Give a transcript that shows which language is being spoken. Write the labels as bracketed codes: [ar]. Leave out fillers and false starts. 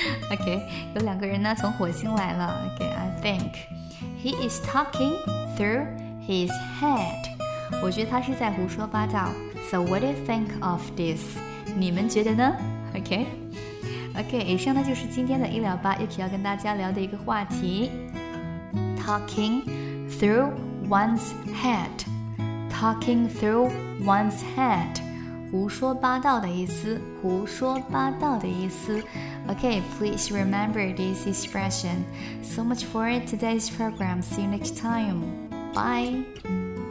[zh] OK 有两个人呢从火星来了。 [en] OK I think He is talking through his head. [zh] 我觉得他是在胡说八道。 [en] So what do you think of this? [zh] 你们觉得呢？ Okay, 以上呢就是今天的医疗吧，又可以要跟大家聊的一个话题。 [en] Talking through one's head. Talking through one's head. [zh] 胡说八道的意思，胡说八道的意思。 [en] Okay, please remember this expression. So much for today's program. See you next time. Bye.